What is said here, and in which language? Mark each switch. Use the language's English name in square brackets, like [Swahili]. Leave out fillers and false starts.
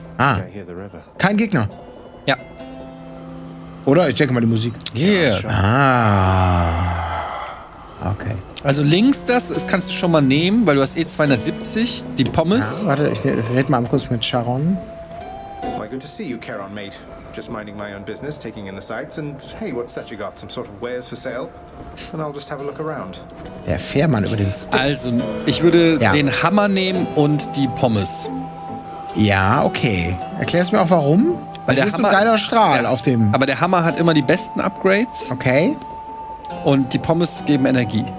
[German] Ah. Kein Gegner. Ja. Oder ich denke mal die Musik. Hier. [English] Yeah. Ah. Okay. [German] Also links das kannst du schon mal nehmen, weil du hast eh 270 die Pommes. Ja, warte, ich rede mal kurz mit Charon. [English] Well, good to see you, Charon, mate. Just minding my own business, taking in the sights, and hey, what's that you got? Some sort of wares for sale? And I'll just have a look around. [German] Der Fährmann über den Stich. Also, ich würde den Hammer nehmen und die Pommes. Ja, okay. Erklärst du mir auch warum? Weil der Hammer ist ein geiler Strahl auf dem. Aber der Hammer hat immer die besten Upgrades. Okay. Und die Pommes geben Energie.